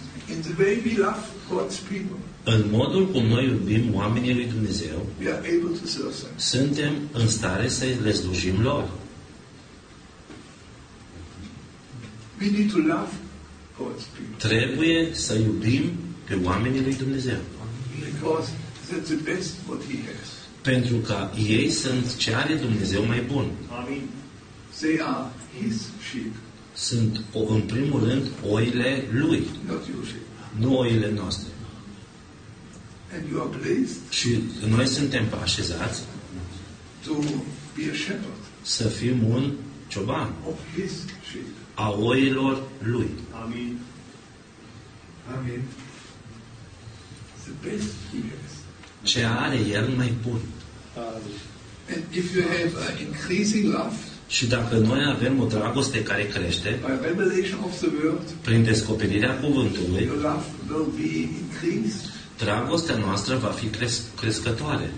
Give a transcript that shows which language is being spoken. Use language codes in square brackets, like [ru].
[en] In the way we love God's people. [ro] În modul cum noi iubim oamenii lui Dumnezeu, [en] we are able to serve them. [ro] Suntem în stare să le slujim lor. [en] We need to love God's people. [ro] Trebuie să iubim pe oamenii lui Dumnezeu. [en] Because that's the best what he has. [ro] Pentru că ei sunt ce are Dumnezeu mai bun. [en] Amin. They are his sheep. [ro] Sunt, în primul rând, oile lui. [en] Not your sheep. [ro] Nu oile noastre. [en] And you are blessed. [ro] Și noi suntem așezați [en] to be a shepherd. [ro] Să fim un cioban. [en] Of his sheep. [ro] A oilor lui. [en] Amin. Amin. The best he has. [ro] Ce are el mai bun. [en] And if you have an increasing love, [ro] și dacă noi avem o dragoste care crește, [en] by revelation of the word, [ro] prin descoperirea cuvântului, [en] your love will be increased. [ro] Dragostea noastră va fi crescătoare.